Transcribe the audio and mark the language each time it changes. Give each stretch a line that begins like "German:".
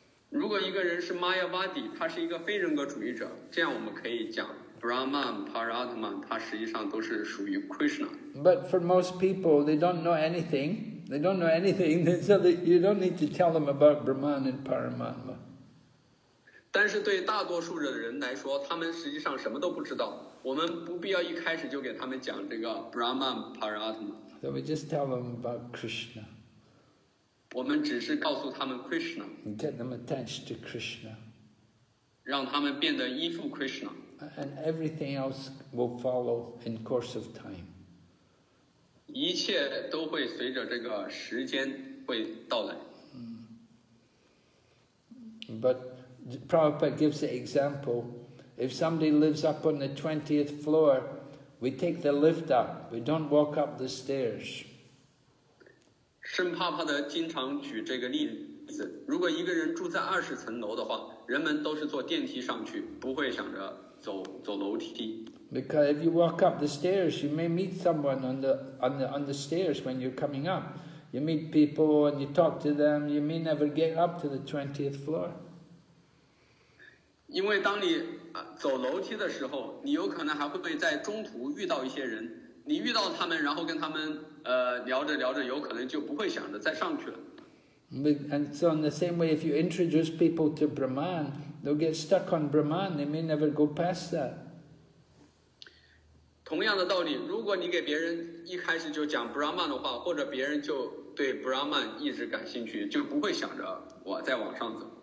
Chinese: 如果一个人是 Mayavadi, 他是一个非人格主义者，这样我们可以讲 Brahman, Paramatman, 他实际上都是属于 Krishna.
English: But for most people, they don't know anything. They don't know anything, so you don't need to tell them about Brahman and Paramatma.
Chinese: 但是对大多数的人来说，他们实际上什么都不知道。我们不必要一开始就给他们讲这个 Brahman Paramatma。
English: So we just tell them about Krishna。
Chinese: 我们只是告诉他们 Krishna。
English: Get them attached to Krishna。
Chinese: 让他们变得依附 Krishna。
English: And everything else will follow in course of time。
Chinese: 一切都会随着这个时间会到来。
English: But Prabhupada gives the example. If somebody lives up on the 20th floor, we take the lift up. We don't walk up the stairs.
Chinese: 圣帕帕的经常举这个例子，如果一个人住在20层楼的话，人们都是坐电梯上去，不会想着走楼梯。
English: Because if you walk up the stairs, you may meet someone on the stairs when you're coming up. You meet people and you talk to them, you may never get up to the 20th floor.
Chinese: 因为当你走楼梯的时候，你有可能还会在中途遇到一些人，你遇到他们，然后跟他们聊着聊着，有可能就不会想着再上去了。
English: And so in the same way, if you introduce people to Brahman, they'll get stuck on Brahman. They may never go past that.
Chinese: 同样的道理，如果你给别人一开始就讲 Brahman 的话，或者别人就对 Brahman 一直感兴趣，就不会想着我再往上走。